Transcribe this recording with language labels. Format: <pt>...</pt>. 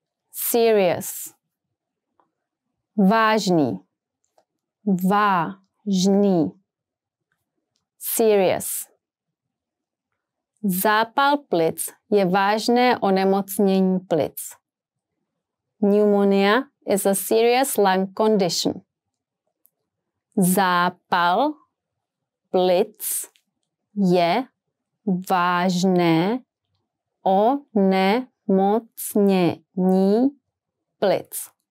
<en>Serious. Vážný.</en> <cs>Vážný. Serious. Zápal plic je vážné onemocnění plic.</cs> <en>Pneumonia is a serious lung condition.</en> <cs>Zápal plic je vážné onemocnění plic.</cs>